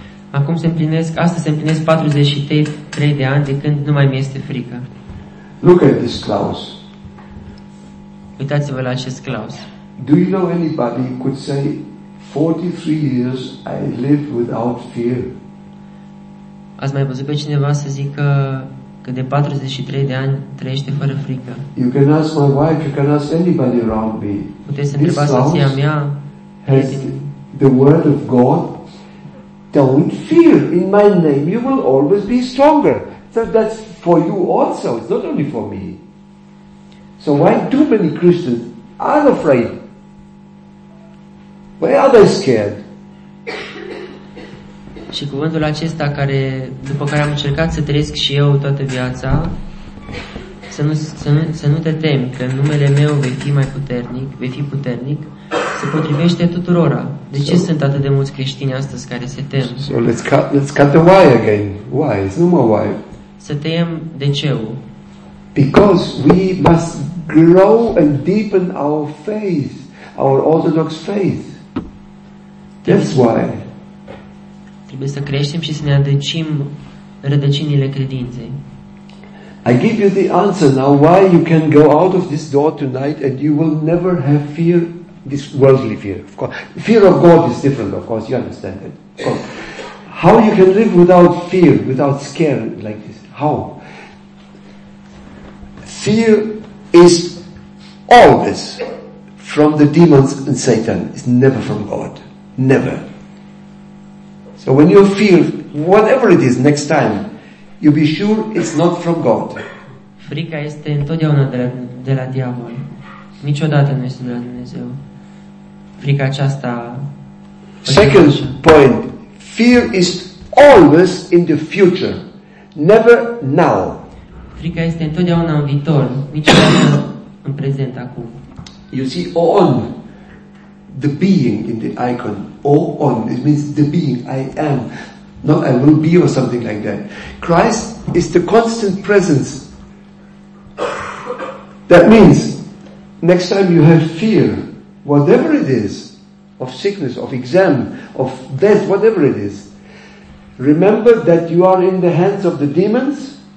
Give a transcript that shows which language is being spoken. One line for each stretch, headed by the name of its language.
Romanian: Acum se împlinesc, astăzi se împlinesc 43 de ani de când nu mai mi este frică.
English: Look at this Klaus.
Romanian: Uitați-vă la acest Klaus.
English: Do you know anybody who could say 43 years I lived without fear?
Romanian: Ați mai văzut pe cineva să zică că de 43 de ani trăiește fără frică?
English: You can ask my wife, you can ask anybody around me.
Romanian: Puteți să întrebați soția mea.
English: Has the word of God, don't fear, in my name you will always be stronger. So that's for you also, it's not only for me. So why too many Christians are afraid? Why are they scared?
Romanian: Și cuvântul acesta care, după care am încercat să trăiesc și eu toată viața, să nu te temi, că în numele meu vei fi mai puternic, vei fi puternic, se potrivește tuturora. De ce sunt atât de mulți creștini astăzi care se tem?
English: So let's cut the why again. Why? It's no more why.
Romanian: Să tăiem de ce-ul.
English: Because we must grow and deepen our faith, our Orthodox faith. That's why.
Romanian: Trebuie să creștem și să ne adâncim rădăcinile credinței.
English: I give you the answer now why you can go out of this door tonight and you will never have fear, this worldly fear. Of course, fear of God is different, of course, you understand that. How you can live without fear, without scare like this? How? Fear is always from the demons and Satan. It's never from God. Never. So when you feel whatever it is next time, you'll be sure it's not from God.
Romanian: Frica este întotdeauna de la diavol. Niciodată nu este de la Dumnezeu. Frica aceasta.
English: Second point. Fear is always in the future. Never now.
Romanian: Frica este întotdeauna în viitor. Niciodată în prezent acum.
English: You see, on the being in the icon. Oh, on. It means the being, I am. Not I will be or something like that. Christ is the constant presence. That means, next time you have fear, whatever it is, of sickness, of exam, of death, whatever it is, remember that you are in the hands of the demons.